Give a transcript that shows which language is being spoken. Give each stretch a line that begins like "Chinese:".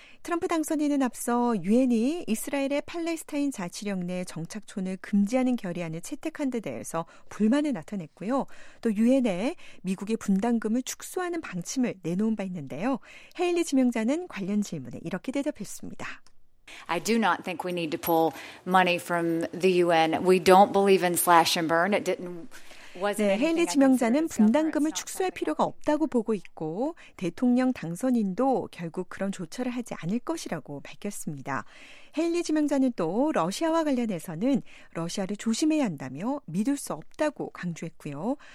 Korean: 트럼프 당선인은 앞서 유엔이 이스라엘의 팔레스타인 자치령 내 정착촌을 금지하는 결의안을 채택한 데 대해서 불만을 나타냈고요. 또 유엔에 미국의 분담금을 축소하는 방침을 내놓은 바 있는데요. 헤일리 지명자는 관련 질문에 이렇게 대답했습니다.
English: I do not think we need to pull money from the UN. We don't believe in slash and burn. It didn't.
Korean: 네, 헤일리 지명자는 분담금을 축소할 필요가 없다고 보고 있고 대통령 당선인도 결국 그런 조처를 하지 않을 것이라고 밝혔습니다. 헤일리 지명자는 또 러시아와 관련해서는 러시아를 조심해야 한다며 믿을 수 없다고 강조했고요.